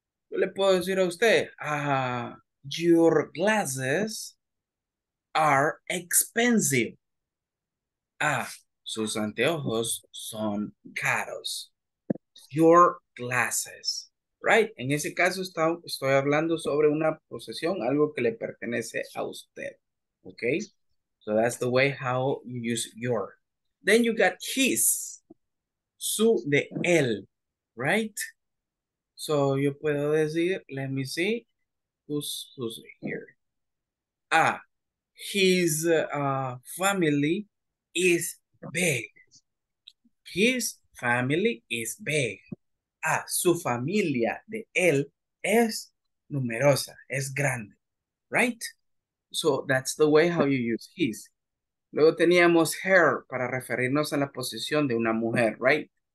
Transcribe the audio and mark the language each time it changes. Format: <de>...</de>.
<es>Yo le puedo decir a usted,</es> <en>your glasses are expensive.</en> <es>Sus anteojos son caros.</es> <en>Your glasses.</en> <es>Right? En ese caso estoy hablando sobre una posesión, algo que le pertenece a usted. Okay?</es> <en>So that's the way how you use your. Then you got his.</en> <es>Su de él.</es> <en>Right? So</en> <es>yo puedo decir,</es> <en>let me see, who's here. His family is big. His family is big.</en> <es>Su familia de él es numerosa, es grande, right?</es> <en>So that's the way how you use his.</en> <es>Luego teníamos her para referirnos a la posición de una mujer, right?</es>